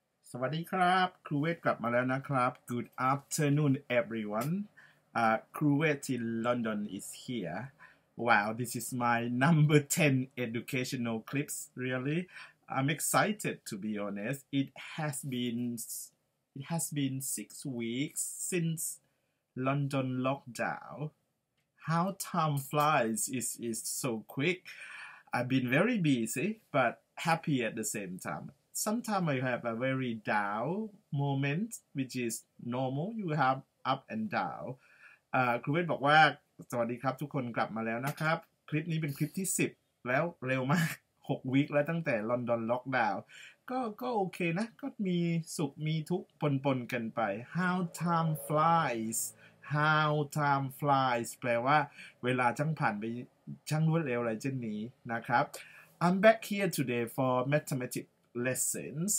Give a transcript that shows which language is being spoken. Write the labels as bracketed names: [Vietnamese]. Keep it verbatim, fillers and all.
[Thai] สวัสดีครับครูเวทกลับมาแล้วนะครับ [English] Good afternoon everyone uh, ครูเวท in London is here. Wow, this is my number ten educational clips. Really, I'm excited to be honest. It has been it has been six weeks since London lockdown. How time flies is is so quick. I've been very busy but happy at the same time. Sometimes I have a very down moment, which is normal. You have up and down. [Thai] อ่าครูเวทบอกว่าสวัสดีครับทุกคนกลับมาแล้วนะครับ คลิปนี้เป็นคลิปที่ สิบ แล้วเร็วมาก หก วีคแล้วตั้งแต่ลอนดอนล็อกดาวน์ก็ก็โอเคนะ ก็มีสุขมีทุกข์ปนๆกันไป [English] How time flies How time flies [Thai] แปลว่าเวลาช่างผ่านไปช่างรวดเร็วอะไรเช่นนี้นะครับ [English] I'm back here today for mathematics lessons.